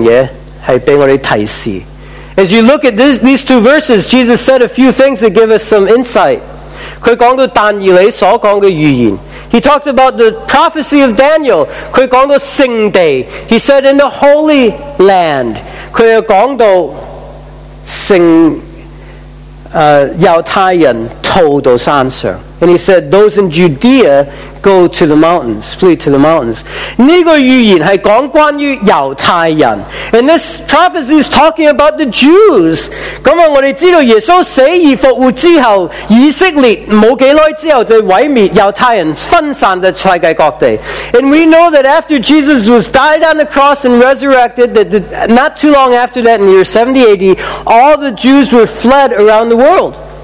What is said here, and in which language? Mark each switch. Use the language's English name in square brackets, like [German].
[Chinese] 弟兄姊妹，你留意这个经文，耶稣讲过几样东西，是给我们提示。 [English] As you look at these two verses, Jesus said a few things that give us some insight. [Chinese] 他讲到但以理所讲的预言。 [English] He talked about the prophecy of Daniel. [Chinese] 他讲到圣地。 [English] He said in the Holy Land. [Chinese] 他又讲到圣，犹太人。 [English] And he said, those in Judea go to the mountains, flee to the mountains. [Chinese] 这个预言是讲关于犹太人. [English] And this prophecy is talking about the Jews. [Chinese] 那么我们知道耶稣死而复活之后, 以色列没多久之后就毁灭犹太人分散在世界各地. [English] And we know that after Jesus was died on the cross and resurrected, that not too long after that, in the year 70 AD, all the Jews were fled around the world.